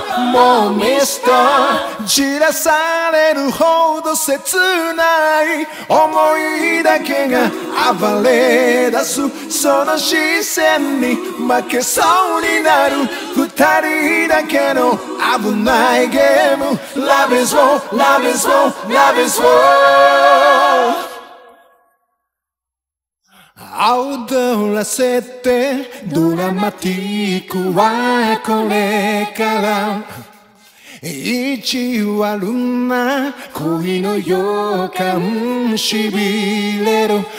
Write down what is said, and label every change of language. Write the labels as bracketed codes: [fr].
[ja] もう mister. 焦らされるほど切ない思いだけが暴れ出す。その視線に負けそうになる。二人だけの危ないゲーム。 [en] Love is war, love is war, love is war. [ja] 踊らせてドラマティックはこれから、意地悪な恋の予感しびれる。